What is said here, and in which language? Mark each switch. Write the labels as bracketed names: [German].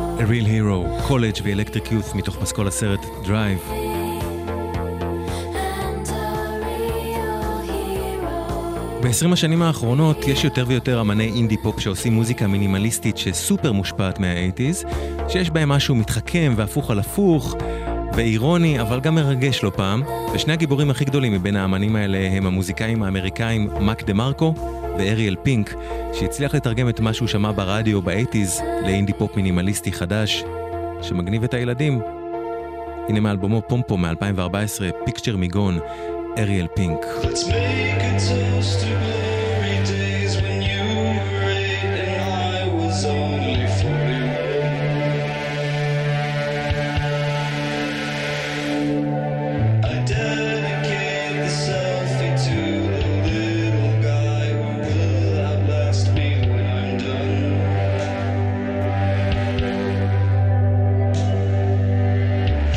[Hebrew] Real Hero, College ו-Electric Youth מתוך פסקול הסרט Drive. ב-20 השנים האחרונות יש יותר ויותר אמני אינדי פופ שעושים מוזיקה מינימליסטית שסופר מושפעת מה-80s, שיש בהם משהו מתחכם והפוך על הפוך ואירוני, אבל גם מרגש לא פעם. ושני הגיבורים הכי גדולים מבין האמנים האלה הם המוזיקאים האמריקאים מק דה מרקו ואריאל פינק, שהצליח לתרגם את מה שהוא שמע ברדיו ב-80s לאינדי פופ מינימליסטי חדש שמגניב את הילדים. הנה מאלבומו פומפו מ-2014, פיקצ'ר מיגון, אריאל פינק. [English] Let's make a toast to glory days when you were 8 and I was only 40. I dedicate the selfie to the little guy who will outlast me when I'm done.